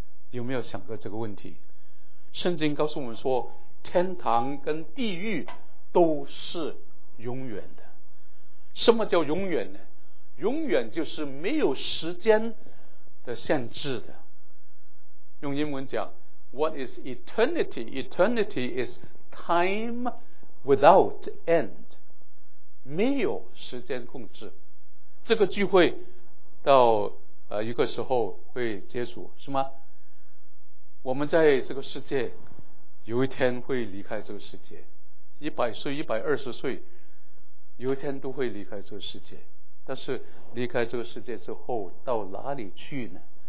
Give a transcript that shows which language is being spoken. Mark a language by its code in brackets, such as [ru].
[zh] 有没有想过这个问题？圣经告诉我们说，天堂跟地狱都是永远的。什么叫永远呢？永远就是没有时间的限制的。用英文讲， [en] What is eternity? Eternity is time without end， [zh] 没有时间控制。这个聚会到一个时候会结束，是吗？我们在这个世界有一天会离开这个世界，100岁、120岁有一天都会离开这个世界。但是离开这个世界之后到哪里去呢？